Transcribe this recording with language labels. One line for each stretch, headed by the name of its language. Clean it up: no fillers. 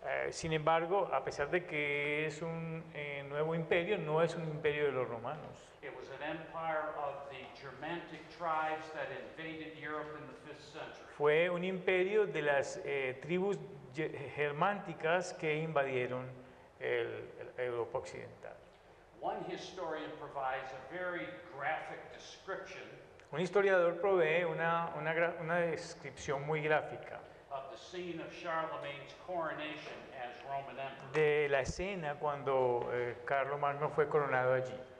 Spanish: Sin embargo, a pesar de que es un nuevo imperio, no es un imperio de los romanos.
English: It was an empire of the Germanic tribes that invaded Europe in the 5th century.
Spanish: Fue un imperio de las tribus germánticas que invadieron el Europa occidental.
English: One historian provides a very graphic description.
Spanish: Un historiador provee una descripción muy gráfica.
English: Of the scene of Charlemagne's coronation as Roman emperor.
Spanish: De la escena cuando Carlomagno fue coronado allí.